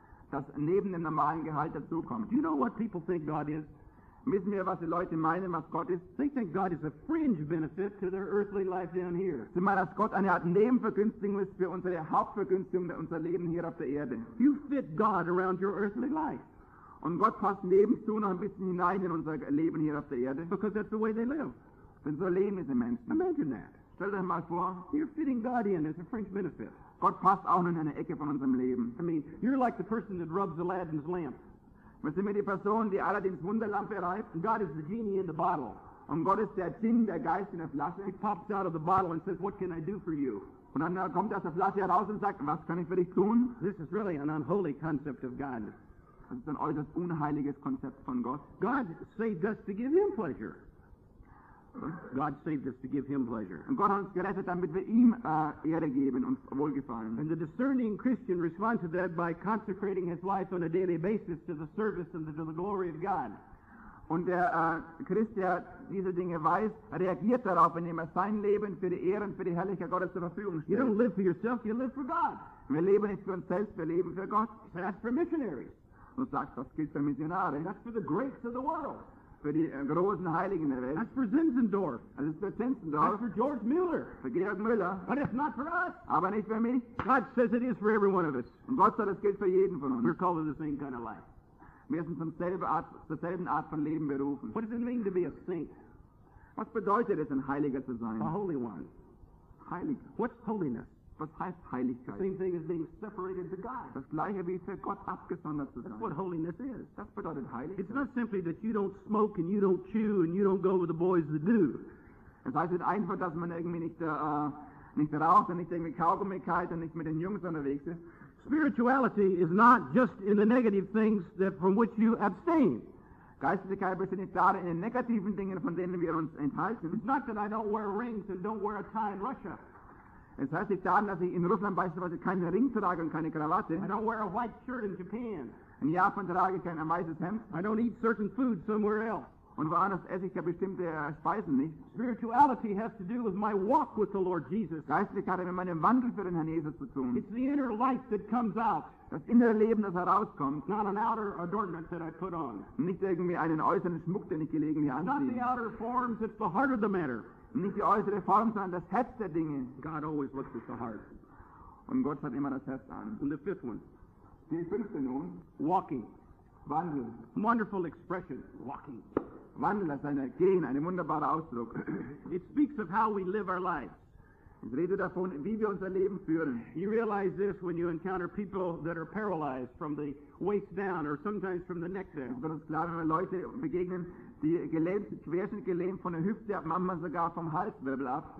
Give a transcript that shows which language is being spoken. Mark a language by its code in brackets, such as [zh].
[de] Das neben dem normalen Gehalt dazukommt. [en] Do you know what people think God is? [de] Wissen wir, was die Leute meinen, was Gott ist? [en] They think God is a fringe benefit to their earthly life down here. [de] Sie meinen, dass Gott eine Art Nebenvergünstigung ist für unsere Hauptvergünstigung, unser Leben hier auf der Erde. [en] You fit God around your earthly life. [de] Und Gott passt nebenzu noch ein bisschen hinein in unser Leben hier auf der Erde. [en] Because that's the way they live. [de] Denn so leben diese Menschen. [en] Imagine that. [de] Stell dir mal vor. [en] You're fitting God in as a fringe benefit. [de] Gott passt auch in eine Ecke von unserem Leben. [en] I mean, you're like the person that rubs Aladdin's lamp. [de] Wir sind die Person, die Aladdins Wunderlampe reibt. [en] God is the genie in the bottle. [de] Und Gott ist der Djinn, der Geist in der Flasche. [en] He pops out of the bottle and says, what can I do for you? [de] Und dann kommt aus der Flasche heraus und sagt, was kann ich für dich tun? [en] This is really an unholy concept of God. [de] Das ist ein äußerst unheiliges Konzept von Gott. [en] God saved us to give him pleasure. God saved us to give him pleasure. [de] Und Gott hat uns gerettet, damit wir ihm Ehre geben und Wohlgefallen. [en] And the discerning Christian responds to that by consecrating his life on a daily basis to the service and to the glory of God. [de] Und der Christ, der diese Dinge weiß, reagiert darauf, indem er sein Leben für die Ehre und für die Herrlichkeit Gottes zur Verfügung stellt. [en] You don't live for yourself, you live for God. [de] Wir leben nicht für uns selbst, wir leben für Gott. [en] So that's for missionaries. [de] Und sagt, das gilt für Missionare. [en] That's for the greats of the world. [de] Für die großen Heiligen der Welt. [en] That's for Zinzendorf. [de] Das ist für Zinzendorf. [en] That's for George Mueller. [de] Für Georg Müller. [en] But it's not for us. [de] Aber nicht für mich. [en] God says it is for every one of us. [de] Und Gott sagt, es gilt für jeden von uns. [en] We're called to the same kind of life. [de] Wir sind zur selben Art von Leben berufen. [en] What does it mean to be a saint? [de] Was bedeutet es, ein Heiliger zu sein? [en] A holy one. [de] Heilig. [en] What's holiness? [de] Was heißt Heiligkeit? [en] Same thing as being separated to God. [de] Das gleiche wie für Gott abgesondert zu sein. [en] That's what holiness is. [de] Das bedeutet Heiligkeit. [en] It's not simply that you don't smoke and you don't chew and you don't go with the boys that do. [de] Es heißt nicht einfach, dass man irgendwie nicht raucht und nicht irgendwie Kaugummi kaut und nicht mit den Jungs unterwegs ist. [en] Spirituality is not just in the negative things that from which you abstain. [de] Geistlichkeit besteht nicht darin in den negativen Dingen, von denen wir uns enthalten. [en] It's not that I don't wear rings and don't wear a tie in Russia. [de] Es heißt nicht daran, dass ich in Russland beispielsweise keinen Ring trage und keine Krawatte. [en] I don't wear a white shirt in Japan. [de] In Japan trage ich kein weißes Hemd. [en] I don't eat certain food somewhere else. [de] Und woanders esse ich ja bestimmte Speisen nicht. [en] Spirituality has to do with my walk with the Lord Jesus. [de] Geistlichkeit hat mit meinem Wandel für den Herrn Jesus zu tun. [en] It's the inner life that comes out. [de] Das innere Leben, das herauskommt. [en] It's not an outer adornment that I put on. [de] Nicht irgendwie einen äußeren Schmuck, den ich gelegentlich anziehe. [en] Not the outer forms, it's the heart of the matter. [de] Nicht die äußere Form, sondern das Herz der Dinge. [en] God always looks at the heart. [de] Und Gott schaut immer das Herz an. [en] And the fifth one. [de] Die fünfte nun. [en] Walking. [de] Wandeln. [en] Wonderful expression. Walking. [de] Wandeln, das ist ein Gehen, ein wunderbarer Ausdruck. [en] It speaks of how we live our lives. [de] Es redet davon, wie wir unser Leben führen. [en] You realize this when you encounter people that are paralyzed from the waist down or sometimes from the neck down. [de] Es wird uns klar, wenn wir Leute begegnen, die gelähmt, quer sind gelähmt von der Hüfte ab, manchmal sogar vom Halswirbel ab.